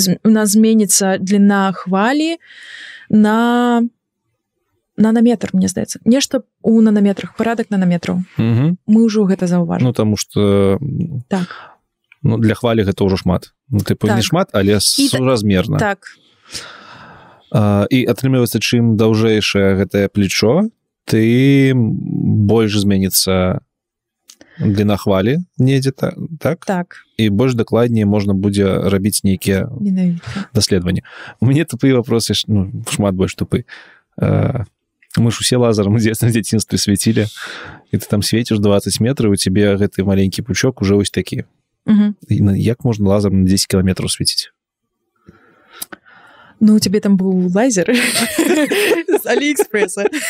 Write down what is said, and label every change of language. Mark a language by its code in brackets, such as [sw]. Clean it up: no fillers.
[be] У нас зменіцца длина хвалі на... Нанометр, мне здаецца. Нешта ў нанометрах, парадак нанометраў. Мы ўжо гэта заўважым. Ну, таму што... Так. Ну, для хвалі гэта ўжо шмат. Ну, тыпу, так. Не шмат, але суразмерна. Так. І атрымліваецца, чым даўжэйшае гэтае плечо, тым больш зменіцца Длина хвалі недзе так? Так. І больш дакладней можна будзе рабіць нейкія даследаванні. У мяне тупы вопросы, ну, шмат больш тупы. Мы ж усе лазарам у дзяцінстве свяцілі, і ты там свеціш 20 метраў, у цябе гэты маленькі пучок уже ось такі. Угу. Як можна лазарам на 10 кілометраў свяціць? [ru] Ну, у тебе там был лазер с Алиэкспресса.